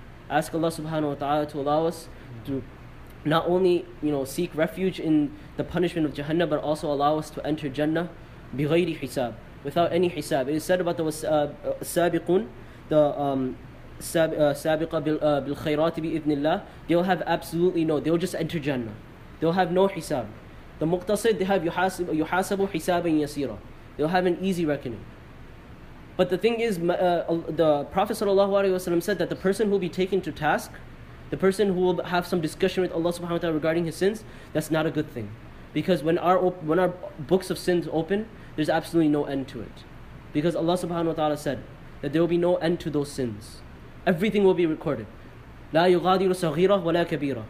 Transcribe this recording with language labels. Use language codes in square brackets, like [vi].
[en] Ask Allah subhanahu wa ta'ala to allow us to not only, you know, seek refuge in the punishment of Jahannam, but also allow us to enter Jannah [ar] بغير حساب, [en] without any حساب. It is said about the السابقون, the [ar] سابقه بالخيرات بإذن الله, [en] they'll have absolutely no, they'll just enter Jannah. They'll have no حساب. [ar] The مقتصد, [en] they have [ar] يحاسب حسابا يسيرا. [en] They'll have an easy reckoning. But the thing is, the Prophet sallallahu alaihi wasallam said that the person who will be taken to task, the person who will have some discussion with Allah subhanahu wa ta'ala regarding his sins, that's not a good thing. Because when our books of sins open, there's absolutely no end to it. Because Allah subhanahu wa ta'ala said that there will be no end to those sins. Everything will be recorded. [ar] لا يغادر صغيرة ولا كبيرة.